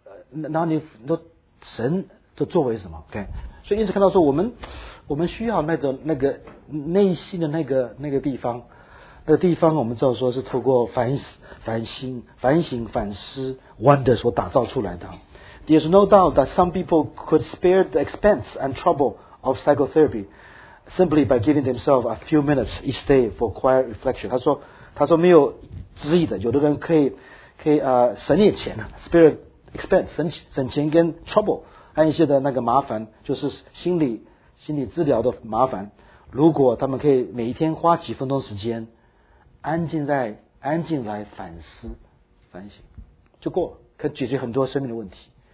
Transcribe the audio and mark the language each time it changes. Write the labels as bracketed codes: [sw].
[zh] 然后你说神的作为什么 ？OK， 所以因此看到说我们需要那种那个内心的那个地方，那个地方我们知道说是透过反省反思 wonder 所打造出来的。 [en] There's no doubt that some people could spare the expense and trouble of psychotherapy simply by giving themselves a few minutes each day for quiet reflection. [zh] 他说没有质疑的，有的人可以省点钱 [en] spare expense [zh] 省钱跟 trouble 还有一些的那个麻烦，就是心理治疗的麻烦，如果他们可以每一天花几分钟时间安静来反思反省就过，可以解决很多生命的问题。